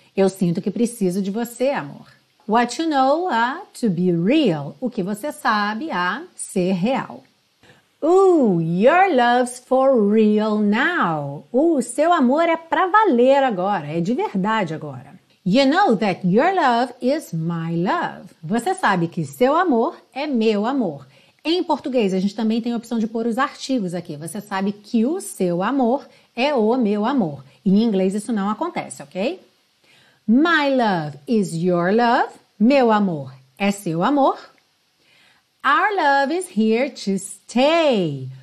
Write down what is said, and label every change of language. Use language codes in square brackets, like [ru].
[pt] Eu sinto que preciso de você, amor. [en] What you know, to be real. [pt] O que você sabe, ser real. [en] Your love's for real now. [pt] Seu amor é pra valer agora, é de verdade agora. [en] You know that your love is my love. [pt] Você sabe que seu amor é meu amor. Em português, a gente também tem a opção de pôr os artigos aqui. Você sabe que o seu amor é o meu amor. Em inglês, isso não acontece, ok? [en] My love is your love. [pt] Meu amor é seu amor. [en] Our love is here to stay.